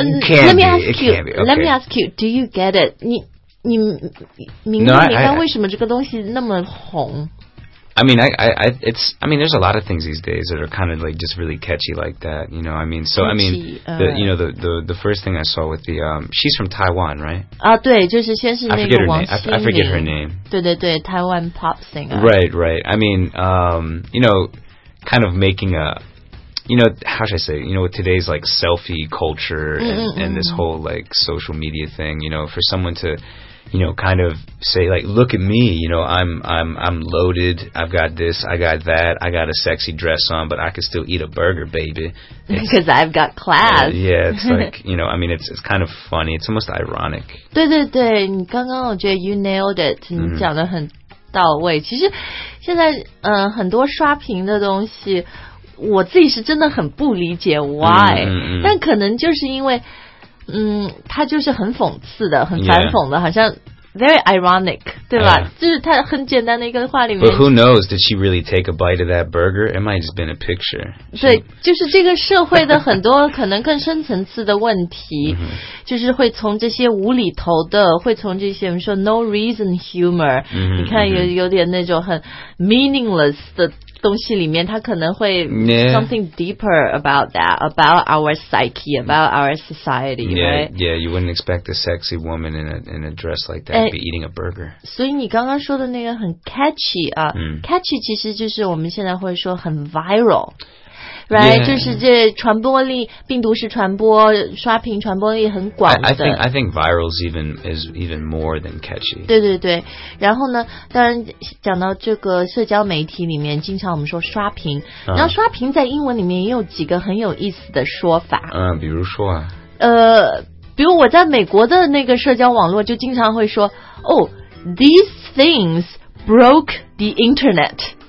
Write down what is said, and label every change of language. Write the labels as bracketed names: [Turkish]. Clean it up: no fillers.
[English] Let me ask you Do you get it [Chinese] 你明白你刚为什么这个东西那么红 [English] I mean there's a lot of things these days that are kind of like just really catchy like that, you know, I mean, so, I mean, the, you know, the first thing I saw with the, she's from Taiwan, right? [Chinese] 啊对就是先是那个王心凌 [English] I forget her name. [Chinese] 对对对 [English] Taiwan pop singer. Right, right. I mean, you know, kind of making a, you know, how should I say, you know, with today's like selfie culture and this whole like social media thing, you know, for someone to... You know, kind of say like, look at me. You know, I'm loaded. I've got this. I got that. I got a sexy dress on, but I can still eat a burger, baby. Because I've got class. Yeah, it's like you know. I mean, it's kind of funny. It's almost ironic. [Chinese] 对对对，你刚刚我觉得 [English] you nailed it. [Chinese] 你讲得很到位。其实现在很多刷屏的东西，我自己是真的很不理解 why. 但可能就是因为。他就是很讽刺的很反讽的、 [English] yeah. [Chinese] 好像 [English] very ironic [Chinese] 对吧、就是他很简单的一个话里面 [English] But who knows did she really take a bite of that burger it might have been a picture [Chinese] 对就是这个社会的很多可能更深层次的问题就是会从这些无厘头的会从这些我们说 [English] no reason humor [Chinese] 你看有点那种很 meaningless 的东西里面它可能会 [English] something deeper about that about our psyche about our society yeah you wouldn't expect a sexy woman in a dress like that to be eating a burger [Chinese] 所以你刚刚说的那个很 catchy 啊、catchy 其实就是我们现在会说很 [English] viral right、 yeah. [Chinese] 就是这传播力病毒式传播刷屏传播力很广的 [English] I think viral is even more than catchy [Chinese] 对对对然后呢当然讲到这个社交媒体里面经常我们说刷屏、然后刷屏在英文里面也有几个很有意思的说法比如说啊比如我在美国的那个社交网络就经常会说 [English] Oh, these things broke the internet